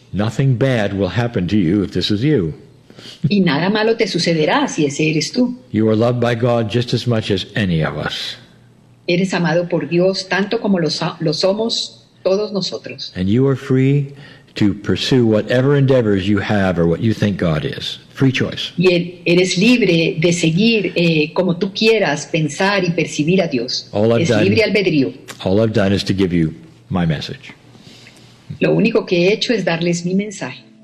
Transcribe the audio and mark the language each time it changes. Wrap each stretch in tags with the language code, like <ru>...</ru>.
<en>Nothing bad will happen to you if this is you.</en> <es>Y nada malo te sucederá si ese eres tú.</es> <en>You are loved by God just as much as any of us.</en> <es>Eres amado por Dios tanto como lo somos todos nosotros.</es> <en>And you are free to pursue whatever endeavors you have or what you think God is. Free choice.</en> <es>Y eres libre de seguir como tú quieras pensar y percibir a Dios. Libre albedrío.</es> <en>All I've done is to give you my message.</en> <es>Lo único que he hecho es darles mi mensaje.</es>